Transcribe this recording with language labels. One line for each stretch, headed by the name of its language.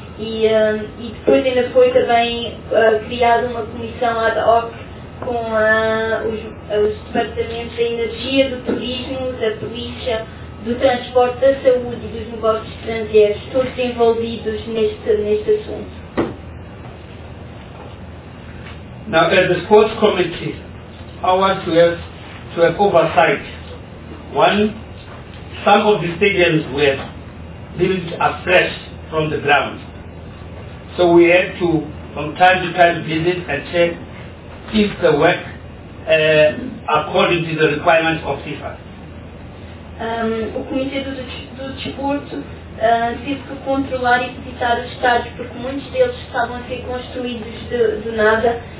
Portuguese: E depois ainda foi também criada uma comissão ad hoc com os departamentos da energia, do turismo, da polícia, do transporte, da saúde e dos negócios estrangeiros, todos envolvidos neste assunto.
English: Now, as the sports committee, I want to have oversight. One, some of the stadiums were built afresh from the ground. So we had to, from time to time, visit and check if the work according to the requirements of FIFA.
Portuguese: O Comitê do Desporto teve que controlar e visitar os estádios porque muitos deles estavam a ser construídos do nada.